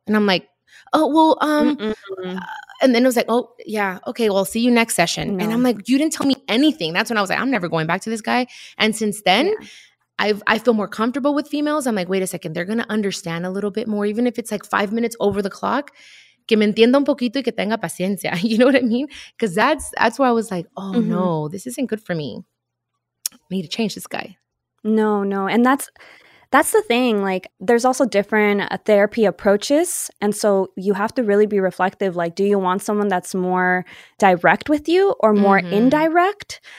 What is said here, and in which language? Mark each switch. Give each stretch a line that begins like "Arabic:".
English: And I'm like, oh, well, and then it was like, oh yeah. Okay. Well, I'll see you next session. No. And I'm like, you didn't tell me anything. That's when I was like, I'm never going back to this guy. And since then, I feel more comfortable with females. I'm like, wait a second, they're going to understand a little bit more, even if it's like 5 minutes over the clock.
Spanish: Que me entienda un poquito y que tenga paciencia.
English: You know what I mean? Because that's where I was like, oh no, this isn't good for me. I need to change this guy. No. And that's the thing. Like, there's also different therapy approaches. And so you have to really be reflective. Like, do you want someone that's more direct with you or more indirect?